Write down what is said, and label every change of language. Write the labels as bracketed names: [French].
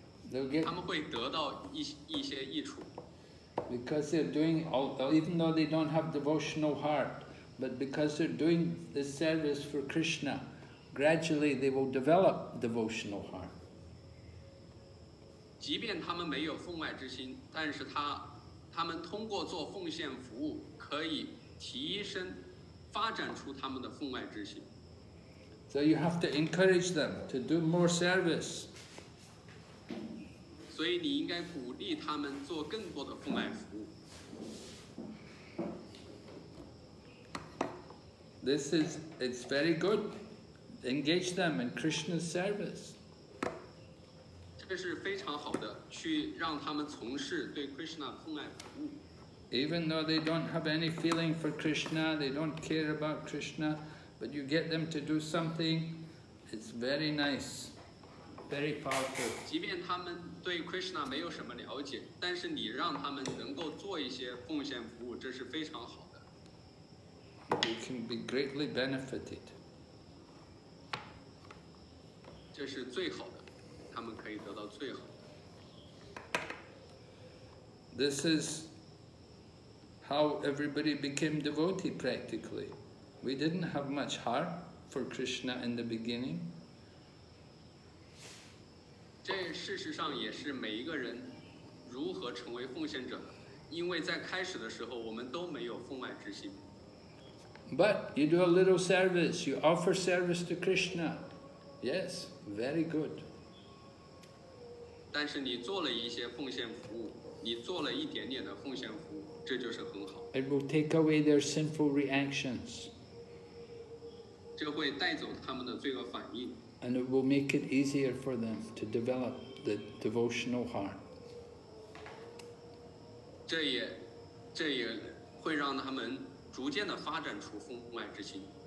[English] ，They'll get. [Chinese] 他们会得到一些益处。 [English] Because they're doing, even though they don't have devotional heart, but because they're doing this service for Krishna, gradually they will develop devotional heart. [Chinese] 即便他们没有奉爱之心，但是他们通过做奉献服务，可以提升、发展出他们的奉爱之心。 [English] So you have to encourage them to do more service. [Chinese] 所以你应该鼓励他们做更多的奉爱服务。 [English] This is, it's very good. Engage them in Krishna's service. [Chinese] 这是非常好的，去让他们从事对 Krishna 奉爱服务。 [English] Even though they don't have any feeling for Krishna, they don't care about Krishna, but you get them to do something, it's very nice. Very powerful. [Chinese] 即便他们对 Krishna 没有什么了解，但是你让他们能够做一些奉献服务，这是非常好的。 [English] You can be greatly benefited. [Chinese] 这是最好的，他们可以得到最好的。 [English] This is how everybody became devotee practically. We didn't have much heart for Krishna in the beginning. [Chinese] 这事实上也是每一个人如何成为奉献者的，因为在开始的时候我们都没有奉爱之心。 [English] But you do a little service, you offer service to Krishna. Yes, very good. [Chinese] 但是你做了一些奉献服务，你做了一点点的奉献服务，这就是很好。 [English] It will take away their sinful reactions. [Chinese] 这会带走他们的罪恶反应。 [English] And it will make it easier for them to develop the devotional heart. [Chinese] 这也会让他们逐渐地发展出奉爱之心。